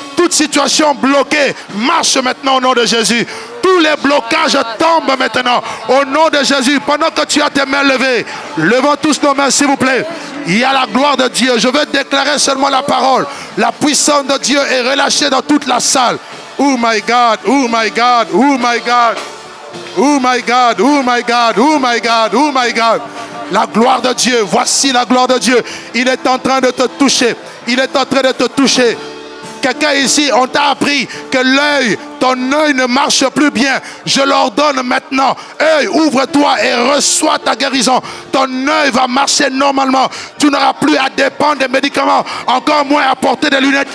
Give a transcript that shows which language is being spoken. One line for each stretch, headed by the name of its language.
French: Toute situation bloquée, marche maintenant au nom de Jésus. Tous les blocages tombent maintenant au nom de Jésus. Pendant que tu as tes mains levées, levons tous nos mains s'il vous plaît. Il y a la gloire de Dieu. Je veux déclarer seulement la parole. La puissance de Dieu est relâchée dans toute la salle.
English: Oh my God, oh my God, oh my God. Oh my God, oh my God, oh my God, oh my God.
French: La gloire de Dieu, voici la gloire de Dieu. Il est en train de te toucher. Il est en train de te toucher. Quelqu'un ici, on t'a appris que l'œil, ton œil ne marche plus bien. Je l'ordonne maintenant. Œil, ouvre-toi et reçois ta guérison. Ton œil va marcher normalement. Tu n'auras plus à dépendre des médicaments, encore moins à porter des lunettes.